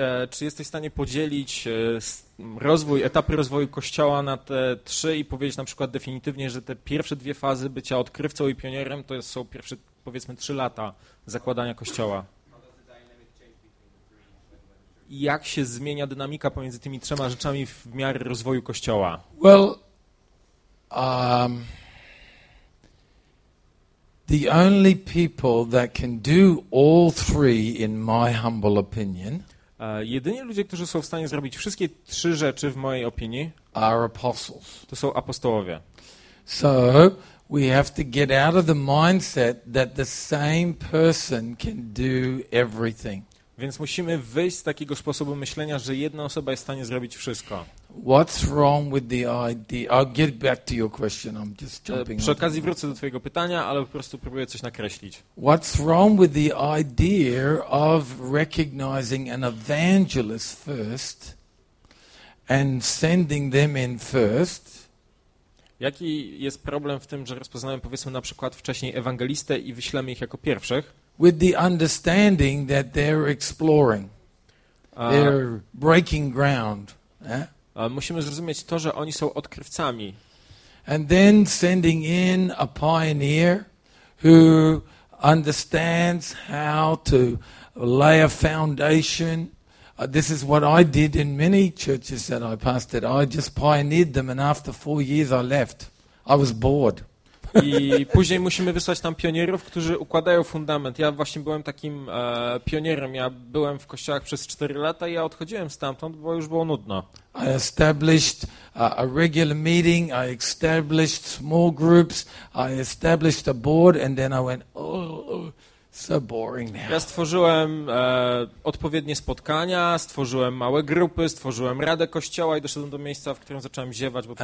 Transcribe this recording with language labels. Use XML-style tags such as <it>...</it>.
<pl>Czy jesteś w stanie podzielić rozwój, etapy rozwoju kościoła na te trzy i powiedzieć na przykład definitywnie, że te pierwsze dwie fazy bycia odkrywcą i pionierem to są pierwsze, powiedzmy, 3 lata zakładania kościoła? Jak się zmienia dynamika pomiędzy tymi 3 rzeczami w miarę rozwoju kościoła?</pl> <en>Well, the only people that can do all three, in my humble opinion,</en> <pl>jedyni ludzie, którzy są w stanie zrobić wszystkie 3 rzeczy w mojej opinii,</pl> <en>are apostles.</en> <pl>To są apostołowie.</pl> <en>So we have to get out of the mindset that the same person can do everything.</en> <pl>Więc musimy wyjść z takiego sposobu myślenia, że jedna osoba jest w stanie zrobić wszystko.</pl> <en>What's wrong with the idea? I'll get back to your question. I'm just jumping.</en> <pl>Przy okazji wrócę do twojego pytania, ale po prostu próbuję coś nakreślić.</pl> <en>What's wrong with the idea of recognizing an evangelist first and sending them in first?</en> <pl>Jaki jest problem w tym, że rozpoznałem, powiedzmy, na przykład wcześniej ewangelistę i wyślemy ich jako pierwszych?</pl> <en>With the understanding that they're exploring, they're breaking ground. Yeah?</en> <pl>Musimy zrozumieć to, że oni są odkrywcami.</pl> <en>And then sending in a pioneer who understands how to lay a foundation. This is what I did in many churches that I pastored. I just pioneered them and after 4 years I left. I was bored.</en> <pl>I później musimy wysłać tam pionierów, którzy układają fundament. Ja właśnie byłem takim pionierem. Ja byłem w kościołach przez 4 lata i ja odchodziłem stamtąd, bo już było nudno.</pl> <en>I established a regular meeting, I established small groups, I established a board and then I went, oh, so boring now.</en> <pl>Ja stworzyłem odpowiednie spotkania, stworzyłem małe grupy, stworzyłem radę kościoła i doszedłem do miejsca, w którym zacząłem ziewać, bo to</pl>